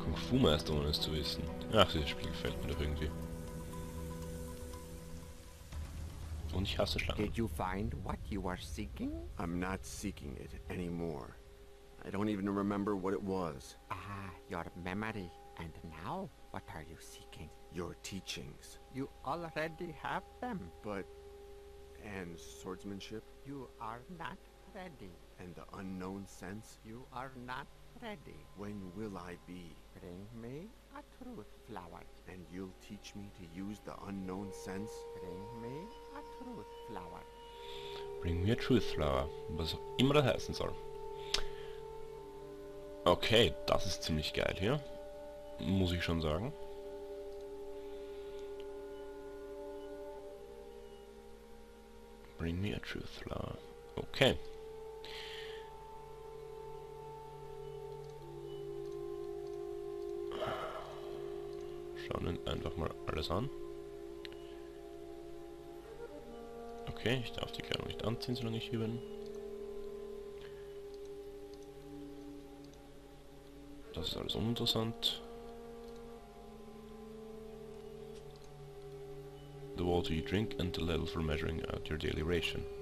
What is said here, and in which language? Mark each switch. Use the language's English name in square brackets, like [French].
[German] Fu-Meister, ohne es zu wissen. Ach, dieses Spiel gefällt mir doch irgendwie. Und ich hasse Schlangen. [English] Did you find what you are seeking? I'm not seeking it anymore. I don't even remember what it was. Ah, your memory. And now, what are you seeking? Your teachings. You already have them. But... and swordsmanship? You are not ready. And the unknown sense? You are not ready. When will I be? Bring me a truth flower. And you'll teach me to use the unknown sense? Bring me a truth flower. Bring me a truth flower. [German] Was immer das heißen soll. Okay, das ist ziemlich geil hier. Muss ich schon sagen. [English] Bring me a truth flower. Okay. [German] Schauen wir einfach mal alles an. Okay, ich darf die Kleidung nicht anziehen, solange ich hier bin. Das ist alles uninteressant. [English] The water you drink and the level for measuring out your daily ration.